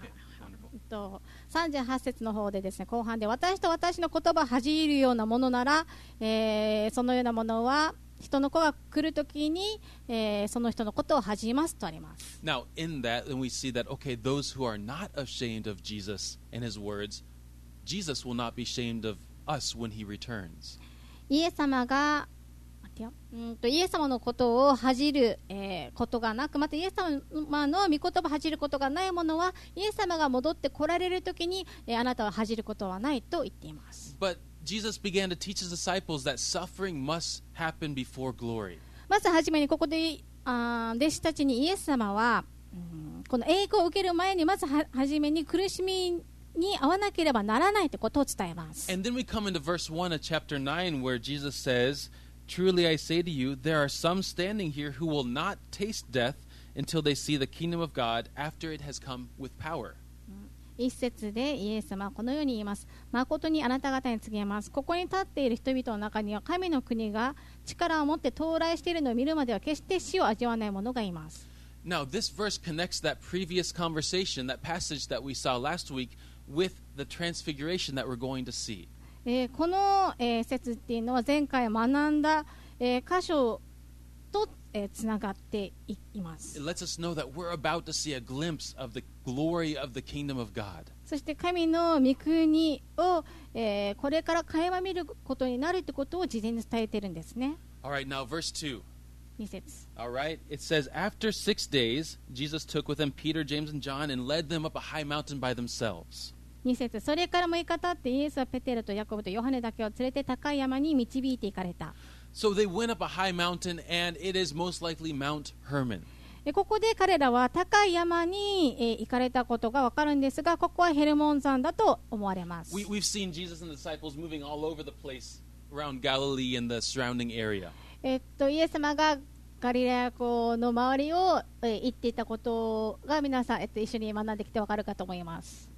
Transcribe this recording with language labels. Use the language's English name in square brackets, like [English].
[Japanese] ね、38節の方でですね、後半で、私と私の言葉を恥じるようなものなら、そのようなものは人の子が来るときに、その人のことを恥じますとあります。 [English] Now, in that, then we see that, okay, those who are not ashamed of Jesus and his words, Jesus will not be ashamed of us when he returns. [Japanese] イエス様が待てよ、イエス様のことを恥じる、ことがなく、またイエス様の御言葉を恥じることがないものは、イエス様が戻って来られるときに、あなたは恥じることはないと言っています。 [English] But Jesus began to teach his disciples that suffering must happen before glory. [Japanese] まずはじめにここで、弟子たちにイエス様は、この栄光を受ける前にまずはじめに苦しみに合わなければならないってことを伝えます。 [English] And then we come into verse 1 of chapter 9 where Jesus says, Truly I say to you, there are some standing here who will not taste death until they see the kingdom of God after it has come with power. [Japanese] 一節でイエス様はこのように言います。誠にあなた方に告げます。ここに立っている人々の中には神の国が力を持って到来しているのを見るまでは決して死を味わわない者がいます。 [English] Now this verse connects that previous conversation, that passage that we saw last week,With the transfiguration that we're going to see. [Japanese] この節っていうのは前回学んだ箇所とつながっています。 [English] It lets us know that we're about to see a glimpse of the glory of the kingdom of God. [Japanese] そして神の御国をこれから垣間見ることになるってことを事前に伝えてるんですね。 [English] All right, now verse 2. [Japanese] 二節。 [English] All right, it says, After 6 days, Jesus took with him Peter, James, and John and led them up a high mountain by themselves. [Japanese] 二節。それから6日経ってイエスはペテロとヤコブとヨハネだけを連れて高い山に導いて行かれた。 [English] So they went up a high mountain and it is most likely Mount Hermon. [Japanese] ここで彼らは高い山に行かれたことがわかるんですが、ここはヘルモン山だと思われます。 [English] We've seen Jesus and the disciples moving all over the place around Galilee and the surrounding area. [Japanese] イエス様がガリラヤ湖の周りを行っていたことが皆さん一緒に学んできてわかるかと思います。